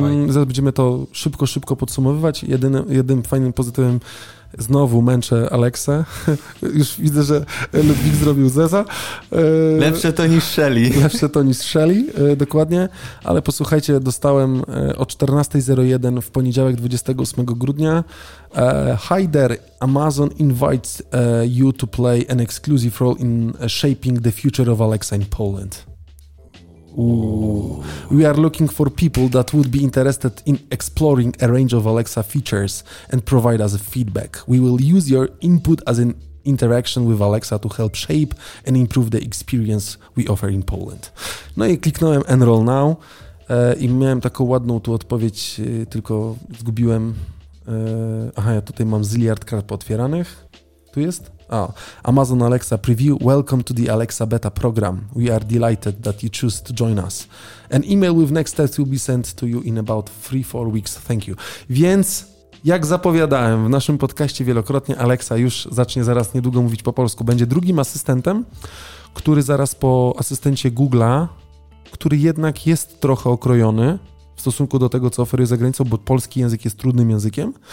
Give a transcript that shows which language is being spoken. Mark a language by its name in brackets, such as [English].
[Polish] Zaraz będziemy to szybko podsumowywać. Jedynym fajnym pozytywem znowu męczę Aleksę. Już widzę, że Ludwik zrobił zeza. Lepsze to niż Shelly. Lepsze to niż Shelly, dokładnie. Ale posłuchajcie, dostałem o 14.01 w poniedziałek 28 grudnia. [English] Hi there, Amazon invites you to play an exclusive role in shaping the future of Alexa in Poland. We are looking for people that would be interested in exploring a range of Alexa features and provide us a feedback. We will use your input as an interaction with Alexa to help shape and improve the experience we offer in Poland. [Polish] No i kliknąłem Enroll Now i miałem taką ładną tu odpowiedź, tylko zgubiłem. Ja tutaj mam ziliard kart pootwieranych. Tu jest? [English] Amazon Alexa Preview. Welcome to the Alexa Beta program. We are delighted that you choose to join us. An email with next steps will be sent to you in about 3-4 weeks. Thank you. [Polish] Więc, jak zapowiadałem w naszym podcaście wielokrotnie, Alexa już zacznie zaraz niedługo mówić po polsku. Będzie drugim asystentem, który zaraz po asystencie Google'a, który jednak jest trochę okrojony w stosunku do tego, co oferuje za granicą, bo polski język jest trudnym językiem.